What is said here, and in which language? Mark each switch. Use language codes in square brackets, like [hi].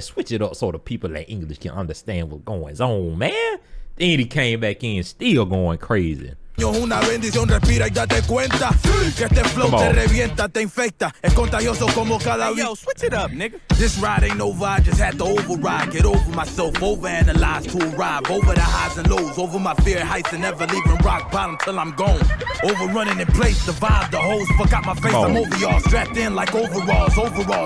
[en] Switch it up so the people in English can understand what's going on, man. Then he came back in still going crazy. [es] Una bendición, respira y date cuenta que este flow te revienta, te infecta. Es contagioso como cada [en] hey, yo, switch it up, nigga. This ride ain't no vibe, just had to override. Get over myself, overanalyze to arrive. Over the highs and lows, over my fear heights. And never leaving rock bottom till I'm gone. Overrunning in place, the vibe, the hoes. Fuck out my face, I'm over y'all. Strapped in like overalls, overall.